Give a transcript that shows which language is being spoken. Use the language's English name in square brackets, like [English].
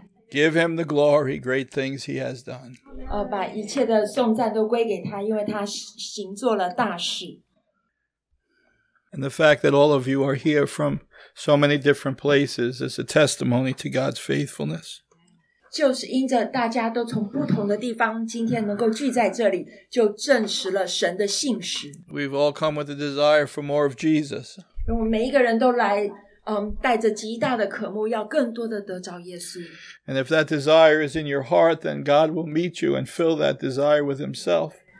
[English] Give him the glory, great things he has done. [Chinese] 把一切的颂赞都归给他，因为他行做了大事。 [English] And the fact that all of you are here from so many different places is a testimony to God's faithfulness. [Chinese] 就是因着大家都从不同的地方今天能够聚在这里，就证实了神的信实。 [English] We've all come with a desire for more of Jesus. [Chinese] 我们每一个人都来，带着极大的渴慕，要更多的得着耶稣。 [English] And if that desire is in your heart, then God will meet you and fill that desire with himself.